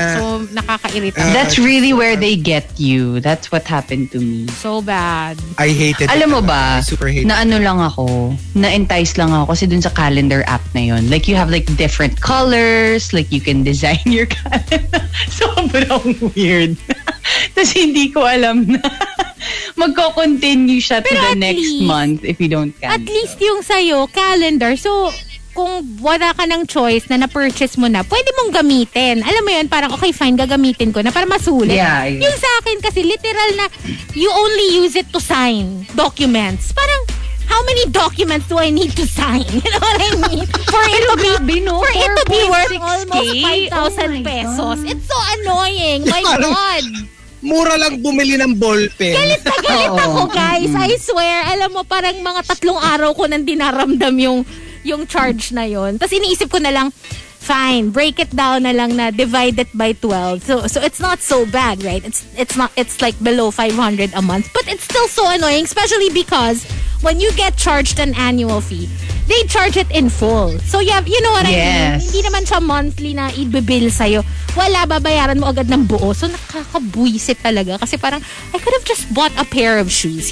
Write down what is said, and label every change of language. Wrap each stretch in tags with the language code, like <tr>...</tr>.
<tl>So, nakaka-irita.</tl> <en>That's really where they get you. That's what happened to me. So bad. I hated it.</en> <tl>Alam mo ba, na ano lang ako, na-entice lang ako kasi dun sa calendar app na yun.</tl> <en>Like, you have like different colors, like you can design your calendar.</en> <tl>Sobrang weird. Tapos hindi ko alam na magko-continue siya pero</tl> <en>to the next least, month if you don't cancel. At least</en> <tl>yung sa'yo, calendar. So, kung wala ka ng choice na na-purchase mo na, pwede mong gamitin. Alam mo yun, parang okay, fine, gagamitin ko na para masulit.</tl> <en>Yeah, yeah.</en> <tl>Yung sa akin kasi, literal na,</tl> <en>you only use it to sign documents.</en> <tl>Parang,</tl> <en>how many documents do I need to sign? You know what I mean? For it to be,</en> <tl>grabe, no?</tl> <en>For it to be worth almost 5,000 pesos. God. It's so annoying. My God.</en> <tl>Mura lang bumili ng ballpen. Galit ako, guys. Mm-hmm.</tl> <en>I swear.</en> <tl>Alam mo, parang mga tatlong araw ko nang dinaramdam yung charge na yon. Tapos iniisip ko na lang,</tl> <en>fine, break it down</en> <tl>na lang na</tl> <en>divide it by 12. So it's not so bad, right? It's like below 500 a month. But it's still so annoying, especially because when you get charged an annual fee, they charge it in full. So you know what I mean?</en> <tl>Hindi naman siya monthly na ibibill sa'yo. Wala, babayaran mo agad ng buo. So nakakabuisit talaga. Kasi parang,</tl> <en>I could have just bought a pair of shoes.</en>